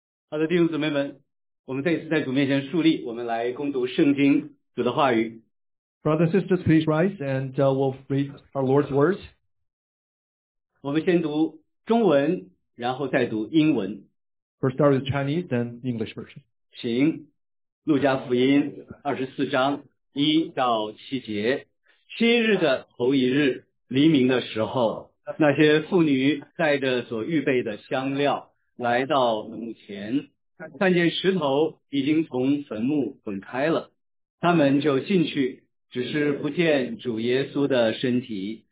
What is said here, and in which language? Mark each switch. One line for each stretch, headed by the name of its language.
Chinese: 好的，弟兄姊妹们，我们再次在主面前竖立，我们来攻读圣经主的话语。
English: Brothers and sisters, please rise and we'll read our Lord's words.
Chinese: 我们先读中文，然后再读英文。
English: First, start with Chinese, then English version.
Chinese: 行，路加福音24:1-7。七日的头一日，黎明的时候，那些妇女带着所预备的香料来到墓前，看见石头已经从坟墓滚开了，他们就进去，只是不见主耶稣的身体。